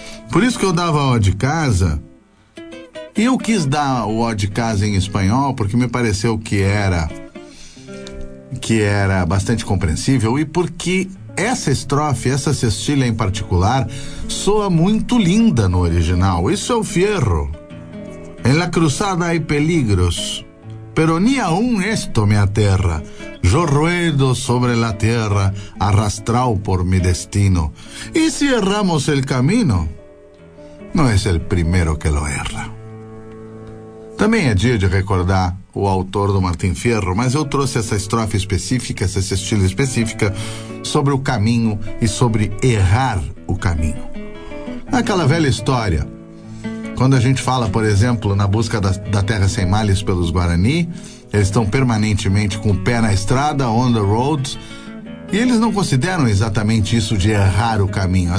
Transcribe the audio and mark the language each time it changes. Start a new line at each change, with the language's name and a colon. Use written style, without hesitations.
Portuguese: Por isso que eu dava ó de casa. E eu quis dar o ó de casa em espanhol, porque me pareceu que era bastante compreensível, e porque essa estrofe, essa cestilha em particular, soa muito linda no original. Isso é o fierro.
Spanish: En la cruzada hay peligros, pero ni aun esto me aterra. Yo ruedo sobre la tierra, arrastrado por mi destino. Y si erramos el camino, no es el primero que lo erra.
Portuguese: Também é dia de recordar o autor do Martim Fierro, mas eu trouxe essa estrofe específica, essa cestilha específica sobre o caminho e sobre errar o caminho. Aquela velha história, quando a gente fala, por exemplo, na busca da terra sem males pelos Guarani, eles estão permanentemente com o pé na estrada,
English: on the road,
Portuguese: e eles não consideram exatamente isso de errar o caminho.